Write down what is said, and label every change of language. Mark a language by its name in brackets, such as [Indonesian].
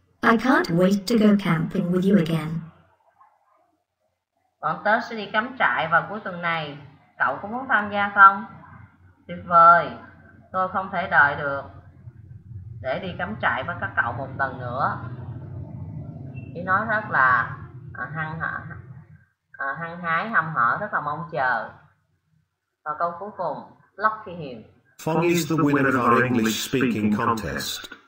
[English] I can't wait to go camping with you again. [Vietnamese] Bọn tớ sẽ đi cắm trại vào cuối tuần này. Cậu có muốn tham gia không? Tuyệt vời. Tôi không thể đợi được để đi cắm trại với các cậu một lần nữa. Ý nói rất là hăng hái, hăm hở, rất là mong chờ. Và câu cuối cùng, Lucky Him. [English] Fong is the winner of our English speaking contest.